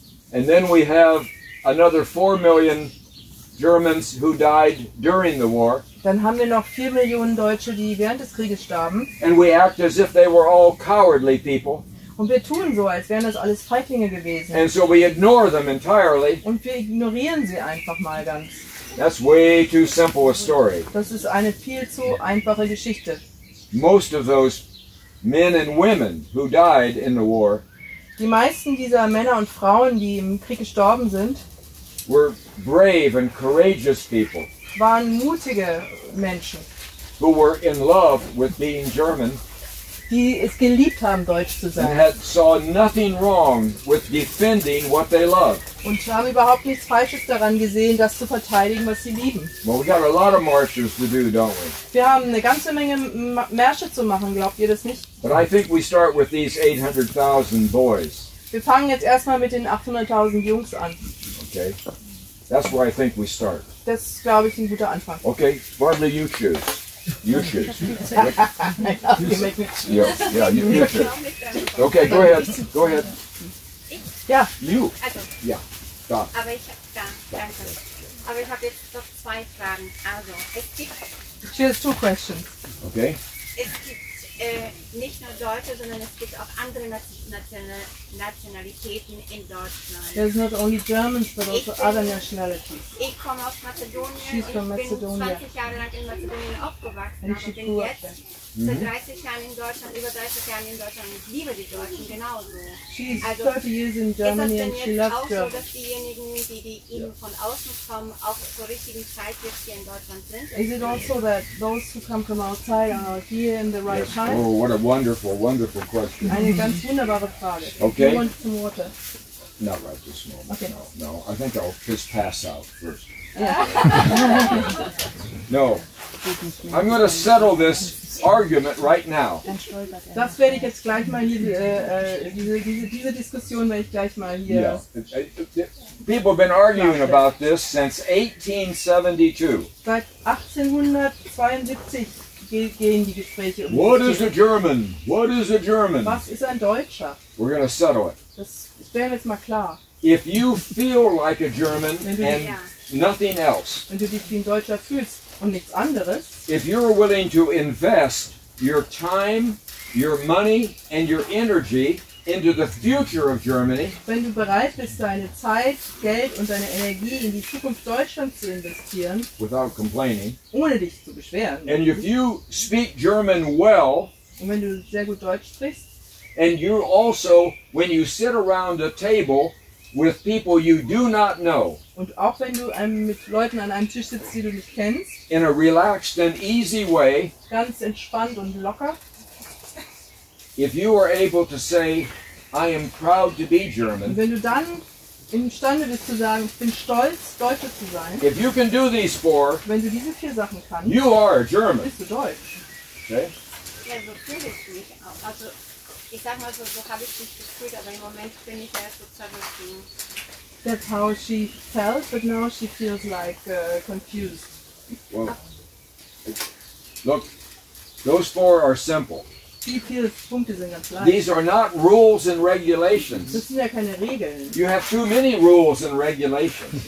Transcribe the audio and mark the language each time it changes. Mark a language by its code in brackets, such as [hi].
[en] And then we have another 4 million Germans who died during the war. [de] Dann haben wir noch 4 Millionen Deutsche, die während des Krieges starben. [en] And we act as if they were all cowardly people. [de] Und wir tun so, als wären das alles Feiglinge gewesen. [en] And so we ignore them entirely. [de] Und wir ignorieren sie einfach mal ganz. [en] That's way too simple a story. [de] Das ist eine viel zu einfache Geschichte. [en] Most of those men and women who died in the war. [de] Die meisten dieser Männer und Frauen, die im Krieg gestorben sind, [en] were brave and courageous people. [de] Waren mutige Menschen. [en] Who were in love with being German. [de] Die es geliebt haben, Deutsch zu sein. [en] And had saw nothing wrong with defending what they loved. [de] Und sie haben überhaupt nichts Falsches daran gesehen, das zu verteidigen, was sie lieben. [en] Well, we got a lot of marches to do, don't we? [de] Wir haben eine ganze Menge Märsche zu machen, glaubt ihr das nicht? [en] But I think we start with these 800,000 boys. [de] Wir fangen jetzt erstmal mit den 800.000 Jungs an. [en] Okay. That's where I think we start. [de] Das ist, glaube ich, ein guter Anfang. [en] Okay, Barbara, you choose. You should. You should. Okay, go ahead. Go ahead. [de] Ich? Ja. [en] You. [de] Also. Ja. Da. Aber ich habe jetzt noch zwei Fragen. Also, es gibt... [en] She has two questions. Okay. [de] Es gibt nicht nur Deutsche, sondern es gibt auch andere Nationalitäten in Deutschland. [en] There's not only Germans, but also other nationalities. [de] Ich komme aus Mazedonien. [en] She's from Macedonia. [de] Ich bin 20 Jahre lang in Mazedonien aufgewachsen, aber bin jetzt seit 30 Jahren in Deutschland, ich liebe die Deutschen genauso. [en] She's also, 30 years in Germany and she loves Germany. [de] Ist es denn jetzt auch so, dass diejenigen, die eben von außen kommen, auch zur richtigen Zeit jetzt hier in Deutschland sind? [en] Is it also that those who come from outside are here in the right time? Oh, what a wonderful, wonderful question. [de] Eine ganz wunderbare Frage. [en] Okay. Who wants some water? Not right this moment. Okay. No, I think I'll just pass out first. Yeah. No. I'm going to settle this argument right now. [de] Das werde ich jetzt gleich mal hier, diese Diskussion werde ich gleich mal hier. [en] Yeah. People have been arguing about this since 1872. [de] Seit 1872 gehen die Gespräche um. [en] What is a German? What is a German? [de] Was ist ein Deutscher? [en] We're going to settle it. [de] Das wäre jetzt mal klar. [en] If you feel like a German and nothing else. [de] Wenn du dich wie ein Deutscher fühlst und nichts anderes. [en] If you're willing to invest your time, your money and your energy into the future of Germany. [de] Wenn du bereit bist, deine Zeit, Geld und deine Energie in die Zukunft Deutschlands zu investieren. [en] Without complaining. [de] Ohne dich zu beschweren. [en] And if you speak German well. [de] Und wenn du sehr gut Deutsch sprichst. [en] And you also, when you sit around a table with people you do not know. [de] Und auch wenn du mit Leuten an einem Tisch sitzt, die du nicht kennst. [en] In a relaxed and easy way. [de] Ganz entspannt und locker. [en] If you are able to say, I am proud to be German. [de] Und wenn du dann imstande bist zu sagen, ich bin stolz, Deutscher zu sein. [en] If you can do these four. [de] Wenn du diese vier Sachen kannst. [en] You are a German. [de] Bist du Deutsch. [en] Okay. [de] Ja, so fühle ich mich auch. Also ich sag mal so, so habe ich mich gefühlt, aber im Moment bin ich ja so zerrissen. [en] That's how she felt, but now she feels like confused. Well, look, those four are simple. [de] Die vier Punkte sind ganz leicht. [en] These are not rules and regulations. [de] Das sind ja keine Regeln. [en] You have too many rules and regulations.